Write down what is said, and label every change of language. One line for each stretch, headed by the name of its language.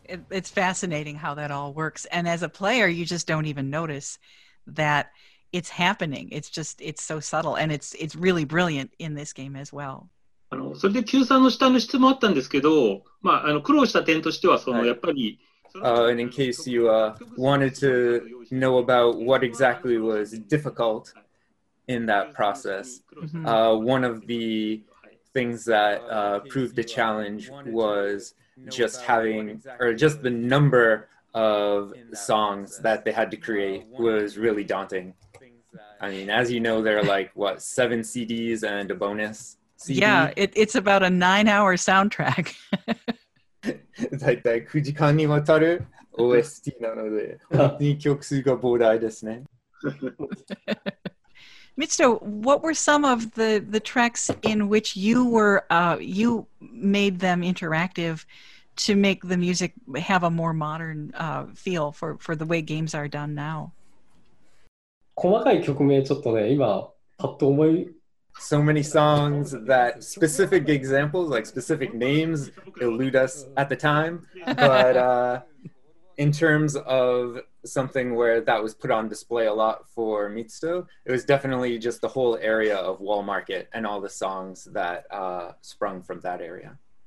English: it's fascinating how that all works. And as a player, you just don't even notice that it's happening. It's just, it's so subtle. And it's really brilliant in this game as well.
Japanese: あのそれで Q さんの下の質問あったんですけど、まあ、あの苦労した点としてはその、はい、やっぱり、
English: And in case you wanted to know about what exactly was difficult in that process, one of the things that proved a challenge was just having, or just the number of songs that they had to create was really daunting. I mean, as you know, there are like, what, 7 CDs and a bonus CD? Yeah, it's about a 9-hour soundtrack.
Japanese: だいたい9時間にわたる OST なので本当に曲数が膨大ですね。
English: Mitsuto, what were some of the tracks in which you were you made them interactive to make the music have a more modern feel for the way games are done now?
Japanese: 細かい曲名ちょっとね今パッと思い
English: So many songs that specific examples, like specific names, elude us at the time. But in terms of something where that was put on display a lot for Mitsuto, it was definitely just the whole area of Wall Market and all the songs that sprung from that area.